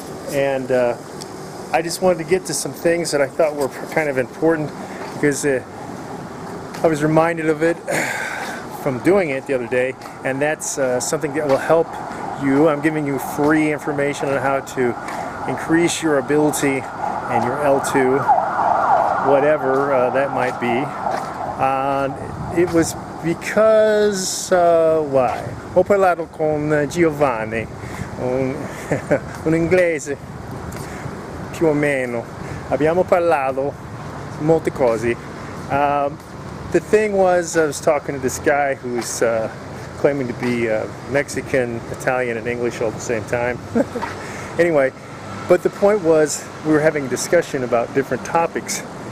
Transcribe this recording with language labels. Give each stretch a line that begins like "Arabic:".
English: And I just wanted to get to some things that I thought were kind of important because I was reminded of it from doing it the other day. And that's something that will help you. I'm giving you free information on how to increase your ability and your L2, whatever that might be. It was because why?
Italian: Ho parlato con Giovanni, un inglese più o meno. Abbiamo parlato molte cose.
English: The thing was, I was talking to this guy who's claiming to be Mexican, Italian, and English all at the same time. Anyway, but the point was, we were having a discussion about different topics.